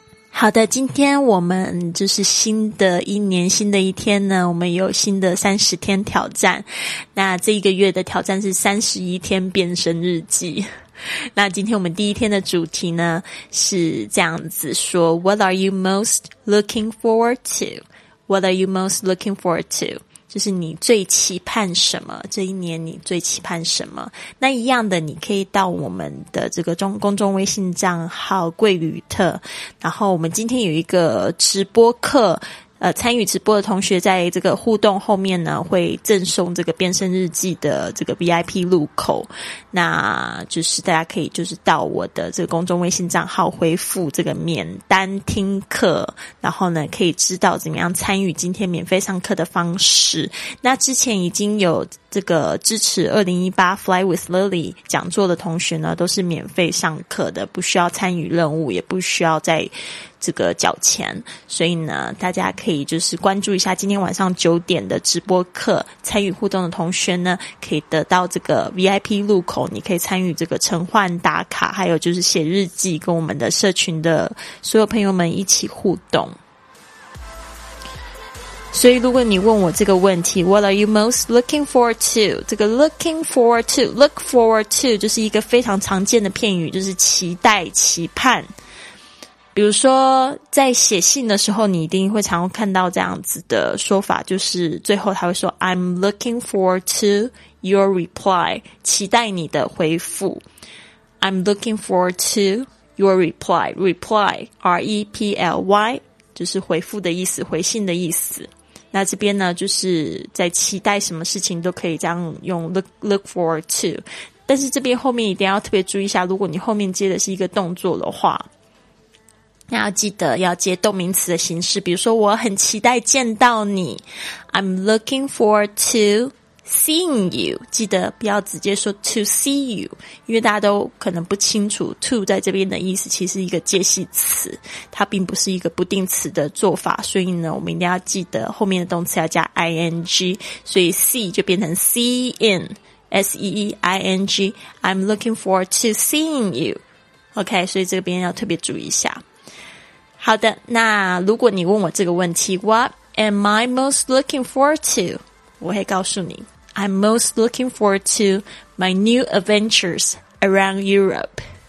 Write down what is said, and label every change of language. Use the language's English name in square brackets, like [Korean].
[Chinese] 好的，今天我们就是新的一年新的一天呢，我们有新的30天挑战。那这一个月的挑战是31天变身日记。那今天我们第一天的主题呢是这样子说， [English] What are you most looking forward to? What are you most looking forward to? [Chinese] 就是你最期盼什么，这一年你最期盼什么。那一样的，你可以到我们的这个公众微信账号贵旅特，然后我们今天有一个直播课，参与直播的同学在这个互动后面呢会赠送这个变身日记的这个 VIP 入口，那就是大家可以就是到我的这个公众微信账号回复这个免单听课，然后呢可以知道怎么样参与今天免费上课的方式。那之前已经有这个支持2018 Fly with Lily 讲座的同学呢都是免费上课的，不需要参与任务，也不需要在这个缴钱，所以呢大家可以就是关注一下今天晚上9点的直播课，参与互动的同学呢可以得到这个 VIP 入口，你可以参与这个晨换打卡，还有就是写日记，跟我们的社群的所有朋友们一起互动。所以如果你问我这个问题 [English] What are you most looking forward to? [Chinese] 这个 looking forward to, look forward to 就是一个非常常见的片语，就是期待期盼。比如说在写信的时候，你一定会常看到这样子的说法，就是最后他会说 [English] I'm looking forward to your reply, [Chinese] 期待你的回复。 [English] I'm looking forward to your reply, reply, R-E-P-L-Y, [Chinese] 就是回复的意思，回信的意思。那这边呢，就是在期待什么事情都可以这样用 look forward to, 但是这边后面一定要特别注意一下，如果你后面接的是一个动作的话，那要记得要接动名词的形式，比如说我很期待见到你 [English] I'm looking forward to seeing you, [Chinese] 记得不要直接说 to see you, 因为大家都可能不清楚 to 在这边的意思其实是一个介系词，它并不是一个不定词的做法，所以呢我们一定要记得后面的动词要加 ing, 所以 see 就变成 seein, S-E-E-I-N-G, [English] I'm looking forward to seeing you, [Chinese] OK, 所以这边要特别注意一下。好的，那如果你问我这个问题 [English] What am I most looking forward to? [Chinese] 我会告诉你 [English] I'm most looking forward to my new adventures around Europe.